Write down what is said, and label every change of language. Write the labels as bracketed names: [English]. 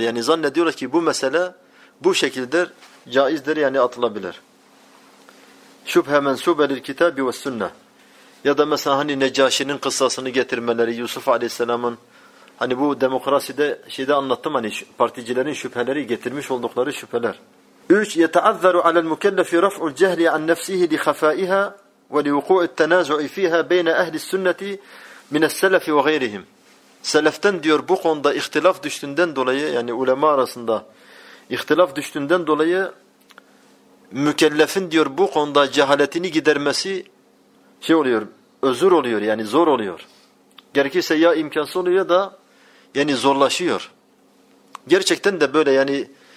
[Turkish] Yani zannediyorlar ki bu mesele bu şekilde caizdir yani atılabilir. Şüphe mensubelil kitabı ve sünne. Ya da mesela hani Necaşi'nin kıssasını getirmeleri, Yusuf Aleyhisselam'ın hani bu demokraside şeyde anlattım hani particilerin şüpheleri getirmiş oldukları şüpheler. 3. [Arabic] يتعذر على المكلف رفع الجهل عن نفسه لخفائها ولوقوع التنازع فيها بين أهل السنة من السلف وغيرهم. [Turkish] Seleften diyor bu konuda ihtilaf düştüğünden dolayı yani ulema arasında ihtilaf düştüğünden dolayı mükellefin diyor bu konuda cehaletini gidermesi şey oluyor, özür oluyor yani zor oluyor. Gerekirse ya imkansız oluyor ya da yani zorlaşıyor. Gerçekten de böyle yani